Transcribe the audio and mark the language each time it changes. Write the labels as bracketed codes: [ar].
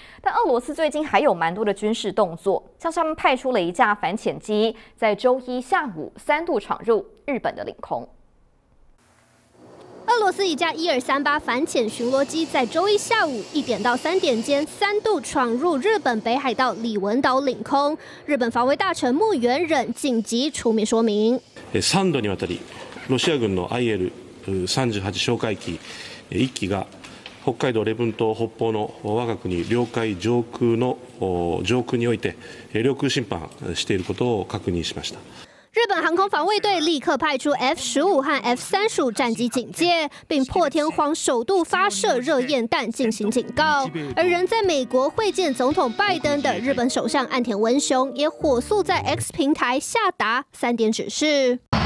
[zh] 但俄罗斯最近还有蛮多的军事动作，像是他们派出了一架反潜机，在周一下午三度闯入日本的领空。俄罗斯一架1238反潜巡逻机在周一下午1点到3点间三度闯入日本北海道里文岛领空。日本防卫大臣木原忍紧急出面说明： [ja] 三度にわたり、ロシア軍の IL-38 哨戒機一機が北海道礼文島北方の我が国領海上空の上空において領空侵犯していることを確認しました。 [zh] 日本航空防卫队立刻派出 F-15 和 F-35 战机警戒，并破天荒首度发射热焰弹进行警告。而人在美国会见总统拜登的日本首相岸田文雄也火速在 X 平台下达3点指示。